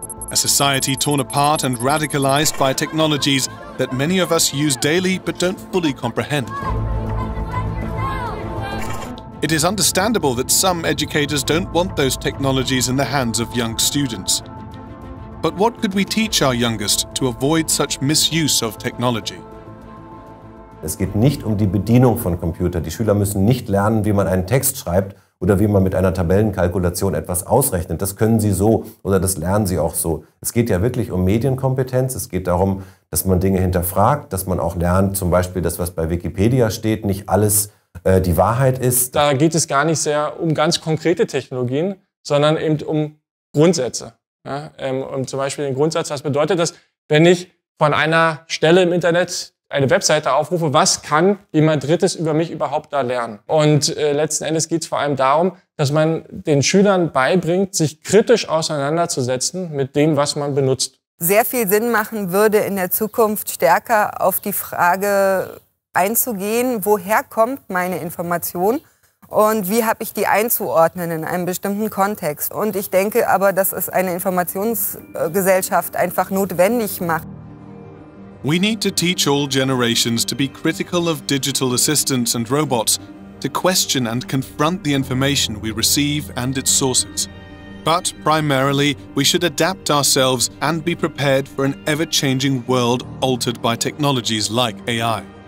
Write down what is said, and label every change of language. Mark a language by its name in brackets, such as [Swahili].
[English] A society torn apart and radicalized by technologies that many of us use daily but don't fully comprehend. It is understandable that some educators don't want those technologies in the hands of young students. But what could we teach our youngest to avoid such misuse of technology? [German] Es geht nicht um die Bedienung von Computern. Die Schüler müssen nicht lernen, wie man einen Text schreibt oder wie man mit einer Tabellenkalkulation etwas ausrechnet. Das können sie so oder das lernen sie auch so. Es geht ja wirklich um Medienkompetenz. Es geht darum, dass man Dinge hinterfragt, dass man auch lernt, zum Beispiel das, was bei Wikipedia steht, nicht alles die Wahrheit ist. Da geht es gar nicht sehr um ganz konkrete Technologien, sondern eben um Grundsätze. Ja, und zum Beispiel den Grundsatz, was bedeutet das, wenn ich von einer Stelle im Internet eine Webseite aufrufe, was kann jemand Drittes über mich überhaupt da lernen? Und letzten Endes geht es vor allem darum, dass man den Schülern beibringt, sich kritisch auseinanderzusetzen mit dem, was man benutzt. Sehr viel Sinn machen würde in der Zukunft stärker auf die Frage einzugehen, woher kommt meine Information und wie habe ich die einzuordnen in einem bestimmten Kontext. Und ich denke aber, dass es eine Informationsgesellschaft einfach notwendig macht. [English] We need to teach all generations to be critical of digital assistants and robots, to question and confront the information we receive and its sources. But primarily, we should adapt ourselves and be prepared for an ever-changing world altered by technologies like AI.